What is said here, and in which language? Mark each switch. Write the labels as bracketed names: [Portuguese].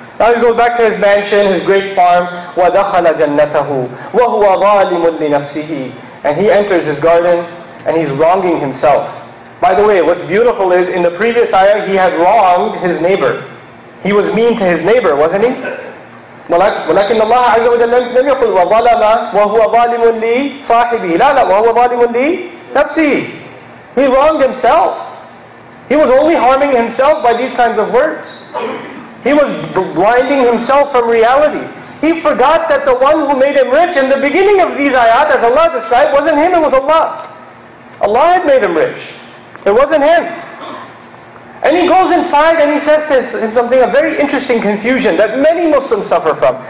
[English] Now he goes back to his mansion, his great farm. [Arabic] وَدَخَلَ جَنَّتَهُ وَهُوَ ظَالِمٌ لِنَفْسِهِ [English] And he enters his garden and he's wronging himself. By the way, what's beautiful is in the previous ayah he had wronged his neighbor. He was mean to his neighbor, wasn't he? [Arabic] ولكن الله عز وجل لم يقل وظلم وهو ظالم لصاحبه لا لا وهو ظالم لنفسه [English] He wronged himself. He was only harming himself by these kinds of words. He was blinding himself from reality. He forgot that the one who made him rich in the beginning of these ayat, as Allah described, wasn't him, it was Allah. Allah had made him rich. It wasn't him. And he goes inside and he says this in something, a very interesting confusion that many Muslims suffer from.